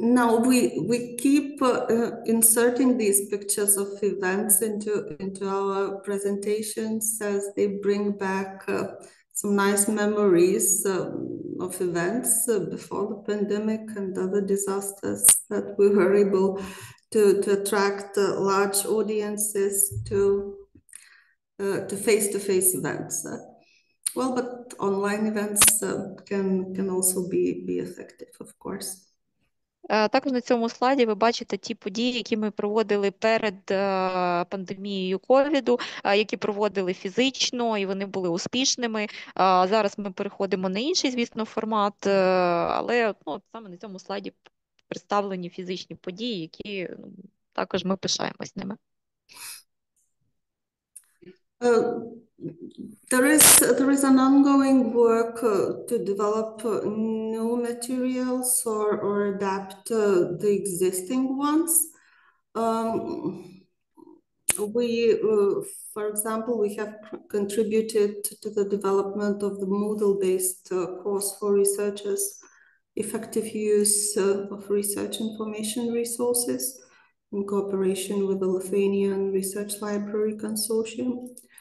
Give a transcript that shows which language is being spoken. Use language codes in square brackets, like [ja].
[en] Now we keep inserting these pictures of events into our presentations as they bring back some nice memories of events before the pandemic and other disasters that we were able to attract large audiences to face-to-face events. Well, but online events can also be effective, of course. [uk] Також на цьому слайді ви бачите ті події, які ми проводили перед пандемією ковіду, які проводили фізично, і вони були успішними. Зараз ми переходимо на інший, звісно, формат, але ну, саме на цьому слайді представлені фізичні події, які ну, також ми пишаємось ними. [en] There is an ongoing work to develop new materials or adapt the existing ones. For example, we have contributed to the development of the Moodle-based course for researchers, effective use of research information resources in cooperation with the Lithuanian Research Library Consortium.